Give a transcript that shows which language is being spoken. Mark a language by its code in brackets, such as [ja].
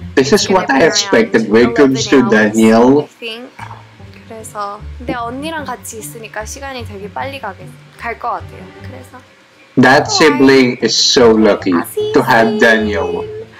[en] This is what I expected when it comes to Danielle. [ko] 그래서 내 언니랑 같이 있으니까 시간이 되게 빨리 갈 것 같아요. 그래서 [en] That sibling is so lucky to have Danielle.